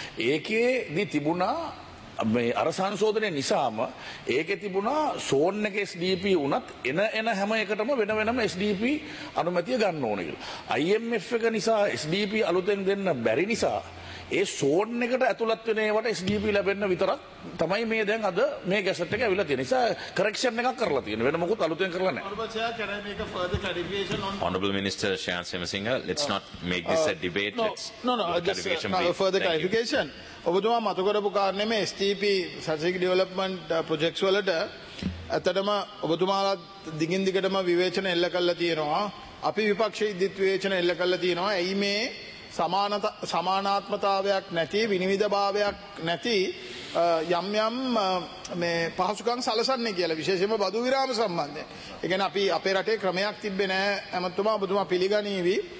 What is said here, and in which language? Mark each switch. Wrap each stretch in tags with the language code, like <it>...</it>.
<si>ඒකේදී තිබුණා මේ අර සංශෝධනය නිසාම ඒකේ තිබුණා සෝන් එක SDP වුණත් එන හැම එකටම වෙන වෙනම SDP අනුමැතිය ගන්න ඕනේ කියලා. IMF එක නිසා SDP අලුතෙන් දෙන්න බැරි නිසා ඒ සෝන් එකට ඇතුළත් වෙන ඒවට SDP ලැබෙන්න විතරක් තමයි මේ දැන් අද මේ ගැසට් එක ඇවිල්ලා තියෙන නිසා කරෙක්ෂන් එකක් කරලා තියෙන වෙන මොකුත් අලුතෙන් කරලා නැහැ.</si> <en>Honorable Minister Shyam Simasinghe, let's not make this a debate. No, just a further clarification.</en> <si>ඔබතුමා මතු කරපු කාරණේ මේ STP strategic development projects වලට ඇත්තටම ඔබතුමාලා දිගින් දිගටම විවේචන එල්ල කළා තියෙනවා. අපි විපක්ෂයේ ඉදිරි විවේචන එල්ල කළා තියෙනවා. ඇයි මේ සමානාත්මතාවයක් නැති විනිවිදභාවයක් නැති යම් යම් මේ පහසුකම් සලසන්නේ කියලා විශේෂයෙන්ම බදු විරාම සම්බන්ධයෙන්. ඒ කියන්නේ අපි අපේ රටේ ක්‍රමයක් තිබ්බේ නැහැ. එමත්තුමා ඔබතුමා පිළිගනීවි.</si>